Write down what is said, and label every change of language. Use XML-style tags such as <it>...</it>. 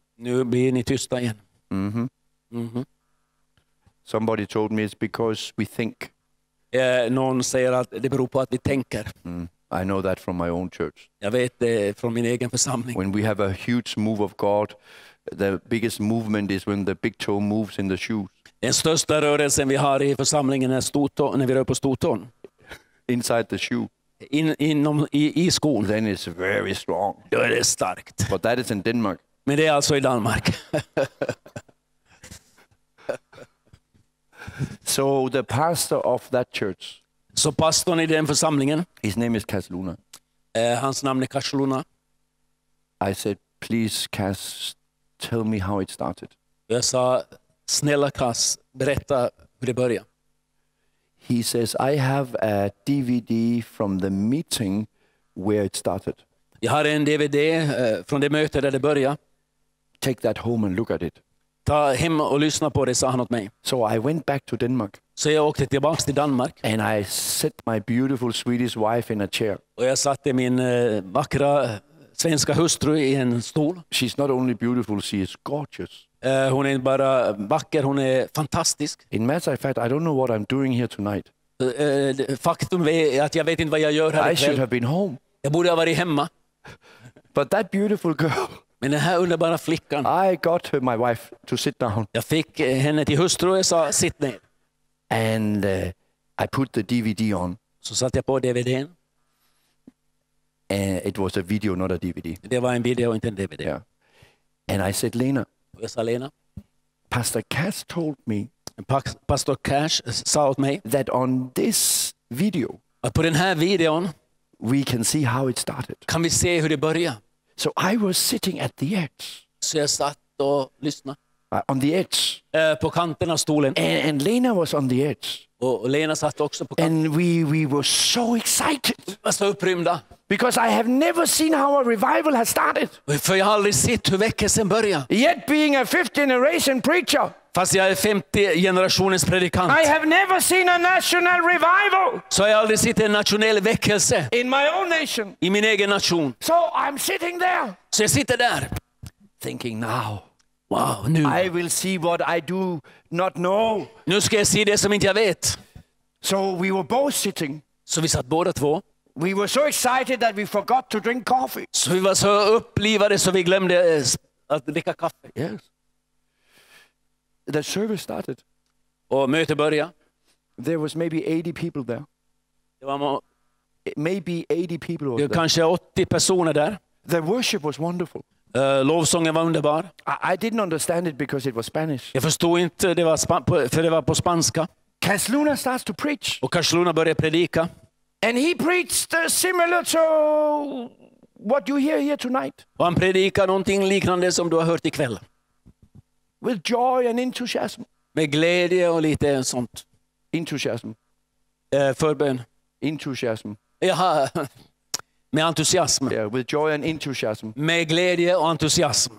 <sv>Nu blir ni tysta igen.</sv> <en>Somebody told me it's because we think.</en> <sv>Någon säger att det beror på att vi tänker.</sv> <en>I know that from my own church.</en> <sv>Jag vet det från min egen församling.</sv> <en>When we have a huge move of God, the biggest movement is when the big toe moves in the shoes.</en> <sv>Den största rörelsen vi har i församlingen är stortån, när vi rör på stortån.</sv> <en>Inside the shoe.</en> <sv>I skolan.</sv> <en>Then it's very strong.</en> <sv>Då är det starkt.</sv> <en>But that is in Denmark.</en> <sv>Men det är alltså i Danmark.</sv> <en>So the pastor of that church.</en> <sv>Så pastorn i den församlingen.</sv> <en>His name is Kasluna.</en> <sv>Hans namn är Kasluna.</sv> <en>I said, please, Cas, tell me how it started.</en> <sv>Jag sa, snälla Cas, berätta hur det började.</sv> <en>He says, I have a DVD from the meeting where it started.</en> <sv>Jag har en DVD från det möte där det började.</sv> <en>Take that home and look at it.</en> <sv>Ta hem och lyssna på det, sa han åt mig.</sv> <en>So I went back to Denmark.</en> <sv>Så jag åkte tillbaka till Danmark.</sv> <en>And I set my beautiful Swedish wife in a chair.</en> <sv>Och jag satte min vackra svenska hustru i en stol.</sv> <en>She's not only beautiful, she is gorgeous.</en> <sv>Hon är bara vacker, hon är fantastisk.</sv> <en>In matter of fact, I don't know what I'm doing here tonight.</en> <sv>Faktum är att jag vet inte vad jag gör här.</sv> <en>I should have been home.</en> <sv>Jag borde ha varit hemma.</sv> <en>But that beautiful girl.</en> <sv>Men den här underbara flickan.</sv> <en>I got her, my wife, to sit down.</en> <sv>Jag fick henne till hustru och jag sa, sitt ner.</sv> <en>And I put the DVD on.</en> <sv>Så satte jag på DVD:n.</sv> <en>And it was a video, not a DVD.</en> <sv>Det var en video, inte en DVD.</sv> <en>Yeah. And I said, Lena.</en> <sv>Jag sa, Lena.</sv> <en>Pastor Cass told me.</en> <sv>Pastor Cash sa åt mig</sv> <en>that on this video,</en> <sv>på den här videon,</sv> <en>we can see how it started.</en> <sv>Kan vi se hur det börjar?</sv> <en>So I was sitting at the edge.</en> <sv>Så jag satt och lyssnade.</sv> <en>On the edge.</en> <sv>På kanten av stolen.</sv> <en>And Lena was on the edge.</en> <sv>Och Lena satt också på kanten.</sv> <en>And we were so excited.</en> <sv>Var så upprymda.</sv> <en>Because I have never seen how a revival has started.</en> <sv>För jag har aldrig sett hur väckelsen börjar.</sv> <en>Yet being a fifth generation preacher.</en> <sv>Fast jag är femte generationens predikant.</sv> <en>I have never seen a national revival.</en> <sv>Så jag har aldrig sett en nationell väckelse.</sv> <en>In my own nation.</en> <sv>I min egen nation.</sv> <en>So I'm sitting there.</en> <sv>Så jag sitter där.</sv> <en>Thinking now.</en> <sv>Wow, nu.</sv> <en>I will see what I do not know.</en> <sv>Nu ska jag se det som inte jag vet.</sv> <en>So we were both sitting.</en> <sv>Så vi satt båda två.</sv> <en>We were so excited that we forgot to drink coffee.</en> <sv>Så vi var så upplivade så vi glömde att dricka kaffe.</sv> <en>Yes. The service started.</en> <sv>Och mötet började.</sv> <en>There was maybe 80 people there.</en> <sv>Det var</sv> <en>maybe 80 people</en> <sv>there. Det kanske 80 personer där.</sv> <en>The worship was wonderful.</en> <sv>Lovsången var underbar.</sv> <en>I didn't understand it because it was Spanish.</en> <sv>Jag förstod inte det var för det var på spanska.</sv> <en>Kasluna starts to preach.</en> <sv>Och Kasluna började predika.</sv> <en>And he preached similar to what you hear here tonight.</en> <sv>Och han predikade någonting liknande som du har hört ikväll.</sv> <en>With joy and enthusiasm.</en> <sv>Med glädje och lite sånt.</sv> <en>Enthusiasm.</en> <sv>Förbön.</sv> <en>Enthusiasm.</en> <sv>Jaha. Med entusiasm.</sv> <en>Yeah, with joy and enthusiasm.</en> <sv>Med glädje och entusiasm.</sv>